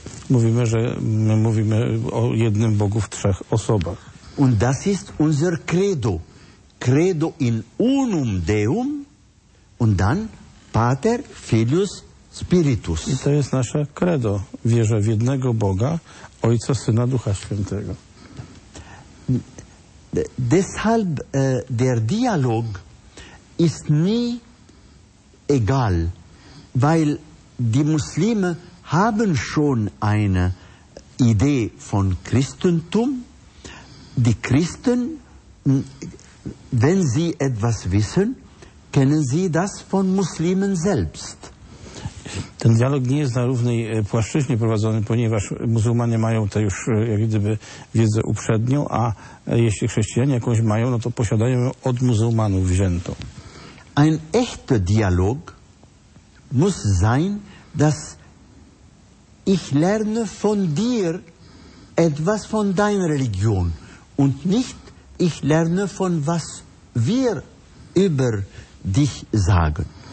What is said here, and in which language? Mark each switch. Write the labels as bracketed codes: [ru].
[pl] Mówimy, że my mówimy o jednym Bogu w trzech osobach. [de] Und das ist unser Credo. [la] Credo in unum Deum [de] und dann [la] Pater, Filius, Spiritus. [pl] I to jest nasze credo. Wierzę w jednego Boga, Ojca, Syna, Ducha Świętego. [de] Deshalb der Dialog ist nie egal, weil die Muslime haben schon eine Idee von Christentum. Die Christen, wenn sie etwas wissen, kennen sie das von Muslimen selbst. [pl] Ten dialog nie jest na równej płaszczyźnie prowadzony, ponieważ muzułmanie mają tę już jak gdyby wiedzę uprzednią, a jeśli chrześcijanie jakąś mają, no to posiadają ją od muzułmanów wziętą. [de] Ein echter Dialog muss sein, dass ich lerne von dir etwas von deiner Religion und nicht ich lerne von was wir über dich sagen.